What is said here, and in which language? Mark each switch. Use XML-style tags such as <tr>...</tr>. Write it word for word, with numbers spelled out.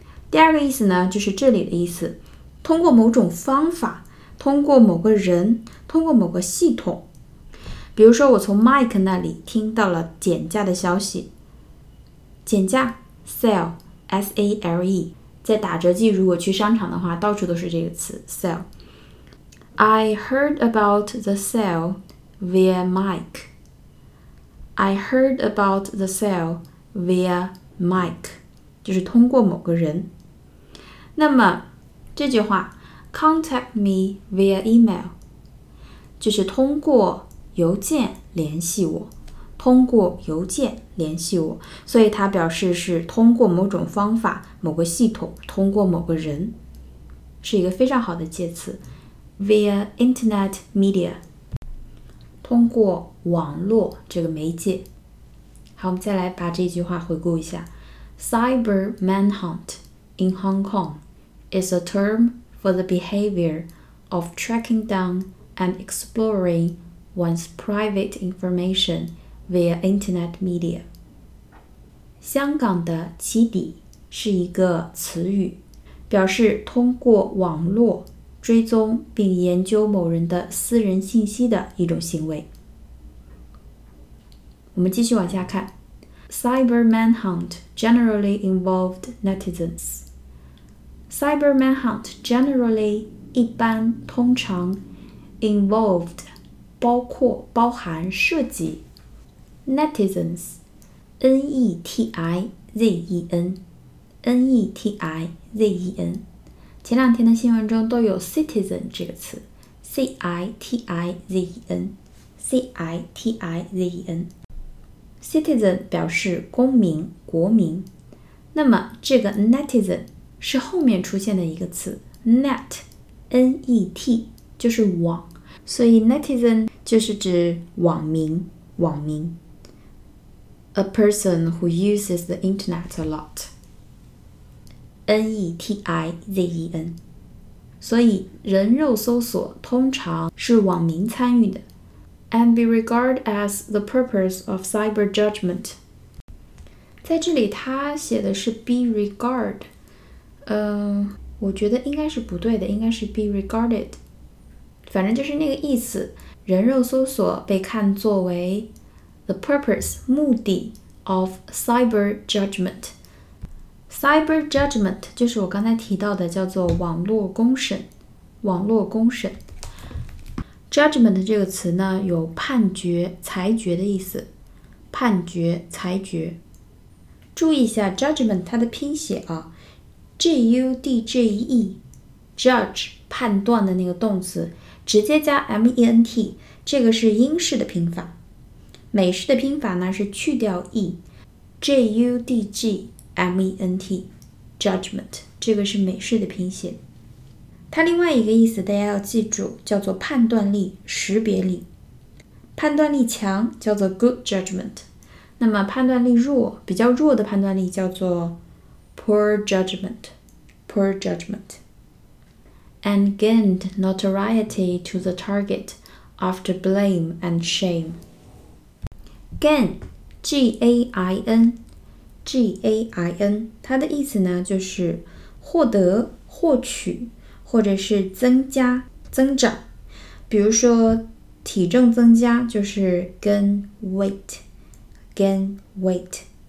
<zh>第二个意思呢就是这里的意思，通过某种方法，通过某个人，通过某个系统。比如说我从 Mike 那里听到了减价的消息。减价 Sale S A L E，在打折季如果去商场的话到处都是这个词 sale。</zh> <en>I heard about the sale via Mike I heard about the sale via Mike</en> <zh>就是通过某个人。那么这句话</zh> <en>Contact me via email</en> <zh>就是通过邮件联系我通过邮件联系我，所以它表示是通过某种方法、某个系统、通过某个人，是一个非常好的介词。</zh> <en>via internet media</en> <zh>通过网络这个媒介。好，我们再来把这句话回顾一下。</zh> <en>Cyber manhunt in Hong Kong is a term for the behavior of tracking down and exploring one's private information via Internet media.</en> <zh>香港的起底是一个词语，表示通过网络追踪并研究某人的私人信息的一种行为。我们继续往下看。</zh> <en>Cyber manhunt generally involved netizens. Cyber manhunt generally</en> <zh>一般通常 involved 包括包含涉及 netizens N-E-T-I-Z-E-N N-E-T-I-Z-E-N 前两天的新闻中都有 citizen 这个词 C-I-T-I-Z-E-N C-I-T-I-Z-E-N Citizen 表示公民、国民。那么这个 netizen 是后面出现的一个词 net N-E-T 就是网，所以 netizen 就是指网民、网民。</zh> <en>A person who uses the internet a lot. N-E-T-I-Z-E-N</en> <zh>所以人肉搜索通常是网民参与的</zh> <en>and be regarded as the purpose of cyber judgment.</en> <zh>在这里他写的是 be regarded、呃、我觉得应该是不对的，应该是 be regarded， 反正就是那个意思，人肉搜索被看作为The purpose, 目的</zh> <en>of cyber judgment.</en> <zh>Cyber judgment 就是我刚才提到的叫做网络公审。网络公审 Judgment 这个词呢有判决、裁决的意思。判决、裁决。注意一下 judgment 它的拼写啊 J-U-D-G-E Judge 判断的那个动词直接加 M-E-N-T 这个是英式的拼法。美式的拼法呢是去掉 e j-u-d-g-m-e-n-t judgment 这个是美式的拼写。它另外一个意思大家要记住，叫做判断力、识别力。判断力强叫做</zh> <en>good judgment，</en> <zh>那么判断力弱，比较弱的判断力叫做</zh> <en>poor judgment poor judgment and gained notoriety to the target after blame and shame。</en> <zh>Gain, G-A-I-N, G-A-I-N 它的意思呢就是获得、获取或者是增加、增长。比如说体重增加就是</zh> <en>gain weight, gain weight。</en>